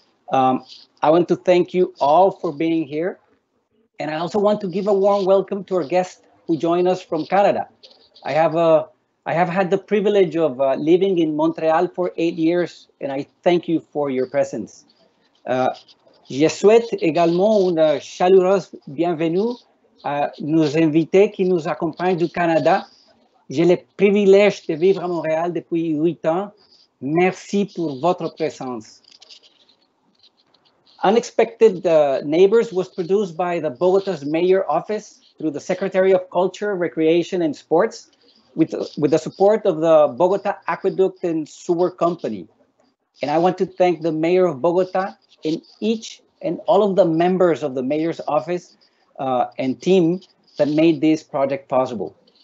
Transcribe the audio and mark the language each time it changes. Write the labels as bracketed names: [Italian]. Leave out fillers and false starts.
[English] I want to thank you all for being here. And I also want to give a warm welcome to our guests who join us from Canada. I have had the privilege of living in Montreal for 8 years, and I thank you for your presence. [French] Je souhaite également une chaleureuse bienvenue à nos invités qui nous accompagnent du Canada. J'ai le privilège de vivre à Montréal depuis 8 ans. Merci pour votre présence. [English] Unexpected Neighbors was produced by the Bogota's Mayor Office through the Secretary of Culture, Recreation and Sports with the support of the Bogota Aqueduct and Sewer Company. And I want to thank the Mayor of Bogota and each and all of the members of the Mayor's Office and team that made this project possible.